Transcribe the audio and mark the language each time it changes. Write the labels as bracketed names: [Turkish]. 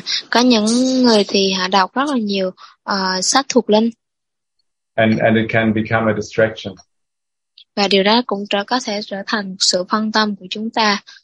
[Vietnamese] Có những người thì họ đọc rất là nhiều sách thuộc linh. [English] And it can become a distraction. [Vietnamese] Và điều đó cũng có thể trở thành sự phân tâm của chúng ta.